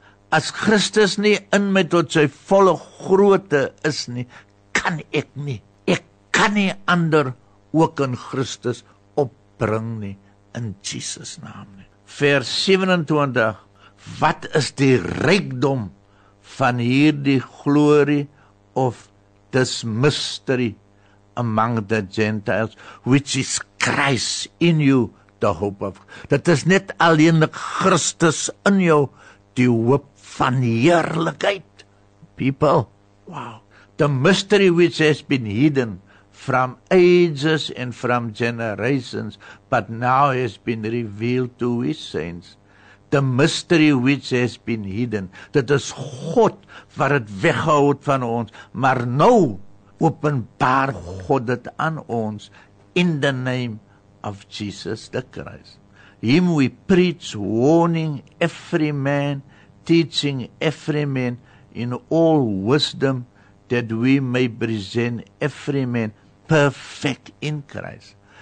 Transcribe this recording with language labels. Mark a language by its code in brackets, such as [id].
[af] As Christus nie in my tot sy volle grootte is nie, kan ek nie. Ek kan nie ander ook in Christus opbring nie, in Jesus naam nie. Vers 27, wat is die rykdom van hierdie glorie [en] of this mystery among the Gentiles, which is Christ in you, the hope of. [af] Dit is net alleenlik Christus in jou, die hoop van heerlikheid. [en] People, wow. The mystery which has been hidden from ages and from generations, but now has been revealed to his saints. The mystery which has been hidden. [af] Dit is God wat het weggehoud van ons, maar nou openbaar God het aan ons [en] in the name of Jesus the Christ. Him we preach, warning every man, teaching every man in all wisdom, that we may present every man perfect in Christ.